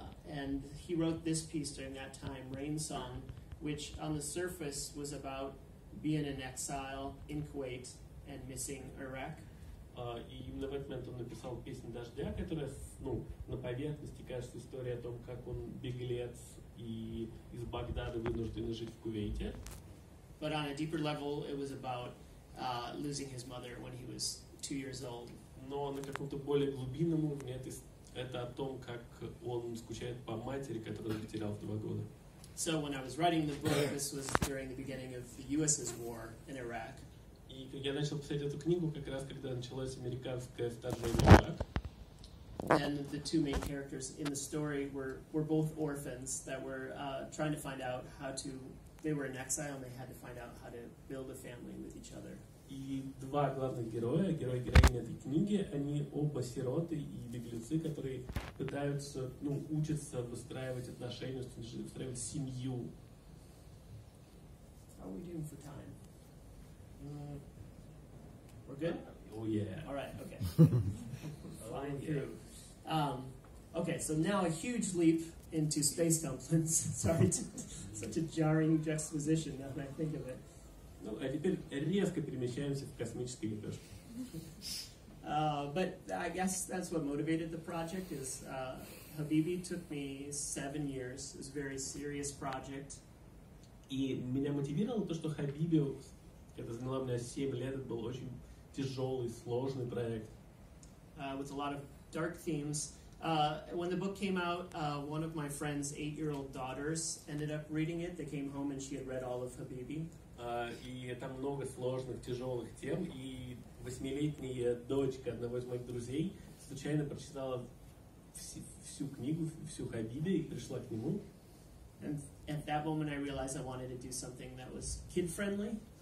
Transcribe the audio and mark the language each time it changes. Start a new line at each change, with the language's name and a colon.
English: And he wrote this piece during that time, Rain Song, which on the surface was about being in exile in Kuwait and missing Iraq.
Russian: И именно в этот момент он написал песню «Дождя», которая, ну, на поверхности кажется история о том, как он беглец и из Багдада вынужден жить в Кувейте.
English: But on a deeper level, it was about losing his mother when he was 2 years old.
Russian: Но на каком-то более глубинном уровне это о том, как он скучает по матери, которую он потерял в 2 года.
English: So when I was writing the book, this was during the beginning of the U.S.'s war in Iraq.
Russian: И я начал писать эту книгу как раз, когда началось американское вторжение в Ирак.
English: And the two main characters in the story were both orphans that were trying to find out how to... They were in exile and they had to find out how to build a family with each other.
Russian: И два главных героя, герой и героиня этой книги, они оба сироты и беглецы, которые пытаются, ну, учатся выстраивать отношения, выстраивать семью.
English: How are we doing for time? We're good? Oh, yeah. All right, okay. Flying through. Okay, so now a huge leap into space dumplings. Sorry, such a jarring juxtaposition now that I think of it.
Russian: Ну, а теперь резко перемещаемся в космические лепешки.
English: But I guess that's what motivated the project is Хабиби took me 7 years. It was a very serious project.
Russian: И меня мотивировало то, что Хабиби... Это заняло у меня 7 лет, это был очень тяжелый, сложный проект.
English: With a lot of dark themes. When the book came out, one of my friend's 8-year-old daughters ended up reading it. They came home and she had read all of Хабиби.
Russian: И там много сложных, тяжелых тем, и 8-летняя дочка одного из моих друзей случайно прочитала всю книгу, всю Хабиби и пришла к нему.
English: And at that moment I realized I wanted to do something that was kid-friendly.